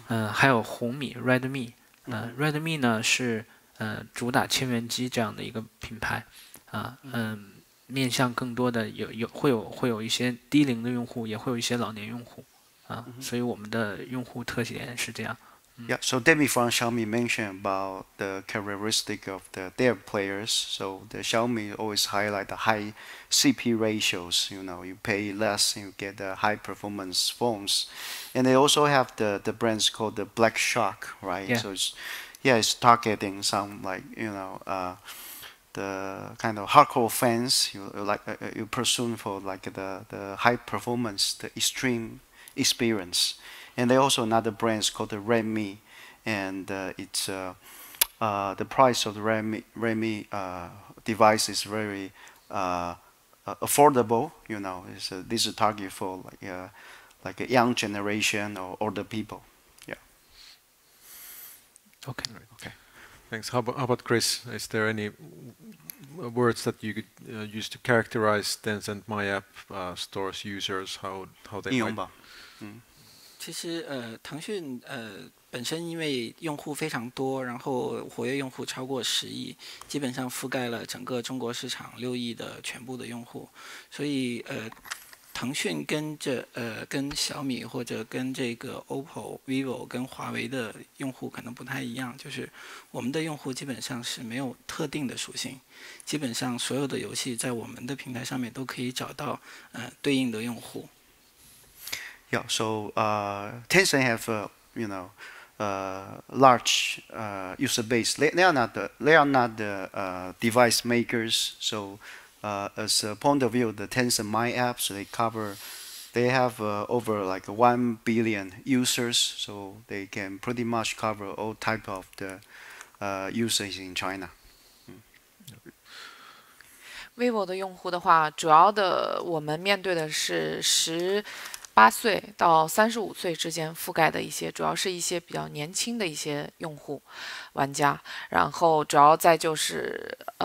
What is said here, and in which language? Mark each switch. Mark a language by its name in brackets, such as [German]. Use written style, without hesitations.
[Chinese] 还有红米Redmi，Redmi呢是主打千元机这样的一个品牌，面向更多的会有一些低龄的用户，也会有一些老年用户。所以我们的用户特点是这样。 [English] So Demi from Xiaomi mentioned about the characteristic of their players. So the Xiaomi always highlight the high CP ratios. You know, you pay less, you get the high performance phones. And they also have the brands called the Black Shark, right? Yeah. So it's targeting some the kind of hardcore fans. You pursue for the high performance, the extreme experience. And they also another brands called the Redmi, and the price of the Redmi device is very affordable. This is a target for like a young generation or older people. Okay, thanks. How about Chris, is there any words that you could use to characterize Tencent My App stores users, how they [Chinese] 其实，腾讯本身因为用户非常多，然后活跃用户超过10亿，基本上覆盖了整个中国市场6亿的全部的用户，所以腾讯跟小米或者跟这个 OPPO、 Vivo 跟华为的用户可能不太一样，就是我们的用户基本上是没有特定的属性，基本上所有的游戏在我们的平台上面都可以找到对应的用户。 [English] Yeah, so Tencent have large user base. They are not the device makers. So as a point of view, the Tencent My Apps, they have over 1 billion users. So they can pretty much cover all type of the users in China. [Chinese] Vivo 的用户的话，主要的我们面对的是十 8岁到35岁之间覆盖的一些，主要是一些比较年轻的一些用户玩家，然后主要再就是